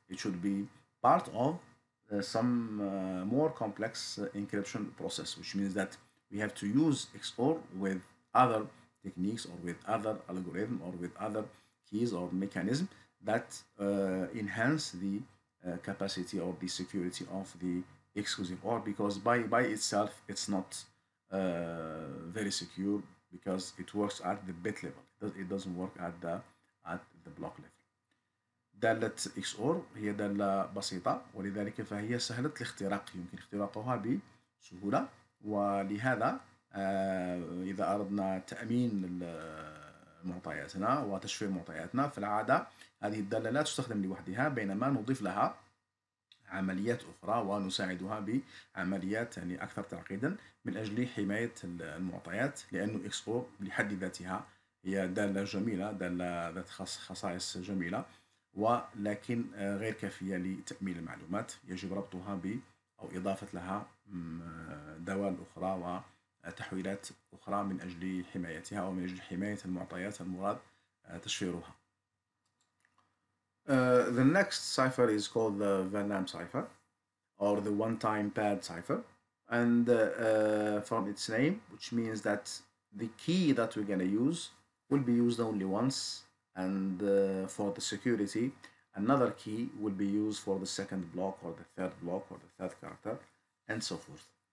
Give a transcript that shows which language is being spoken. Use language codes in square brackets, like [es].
[en] It should be part of some more complex encryption process, which means that we have to use XOR with other techniques or with other algorithm or with other keys or mechanism that enhance the capacity or the security of the exclusive OR, because by itself it's not very secure, because it works at the bit level. It doesn't work at the block level. [ar] دالة XOR هي دالة بسيطة، ولذلك فهي سهلة الاختراق، يمكن اختراقها بسهولة، ولهذا إذا أردنا تأمين معطياتنا وتشفير معطياتنا فالعادة هذه الدالة لا تستخدم لوحدها، بينما نضيف لها عمليات أخرى ونساعدها بعمليات يعني أكثر تعقيدا من أجل حماية المعطيات، لأنه XOR لحد ذاتها هي دالة جميلة، دالة ذات خصائص جميلة ولكن غير كافية لتأمين المعلومات، يجب ربطها ب أو إضافة لها دوال أخرى وتحويلات أخرى من أجل حمايتها أو من أجل حماية المعطيات المراد تشفيرها. [en] The next cipher is called the Venlam cipher or the one-time pad cipher, and from its name, which means that the key that we're going to use will be used only once, and for the security another key will be used for the second block or the third block or the third character and so forth.